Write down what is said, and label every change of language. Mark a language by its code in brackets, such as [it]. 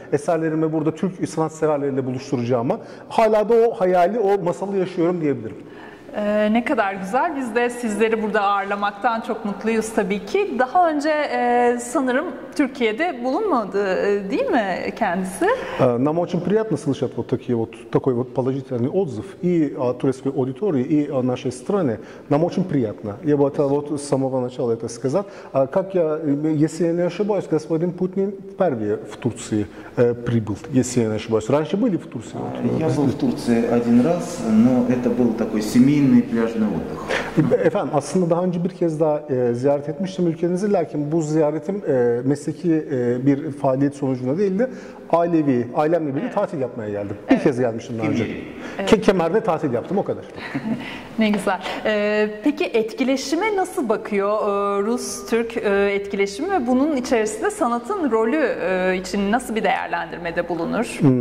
[tr] Eserlerimi burada Türk sanatseverleriyle buluşturacağıma. Hala da o hayali, o masalı yaşıyorum diyebilirim. Ne kadar güzel. Biz de sizleri burada ağırlamaktan çok mutluyuz tabii ki. Daha önce sanırım Türkiye'de bulunmadı değil mi kendisi? [ru] Нам очень приятно слышать вот такие вот такой вот положительный отзыв и о турецкой аудитории и о нашей стране. Нам очень приятно. Я бы это вот с самого начала это сказал. Как я, если я не ошибаюсь, господин Путин впервые в Турции прибыл, если я не ошибаюсь. Раньше были в Турции? Я был в Турции один раз, но это был такой семейный пляжный отдых. [tr] Efendim, aslında daha önce bir kez daha ziyaret etmiştim ülkenizi. Lakin bu ziyaretim mesleki bir faaliyet sonucunda değildi. Ailevi, ailemle birlikte tatil yapmaya geldim. Bir kez gelmiştim daha önce. Kemer'de tatil yaptım, o kadar. Ne güzel. Peki etkileşime nasıl bakıyor Rus-Türk etkileşimi ve bunun içerisinde sanatın rolü için nasıl bir değerlendirmede bulunur?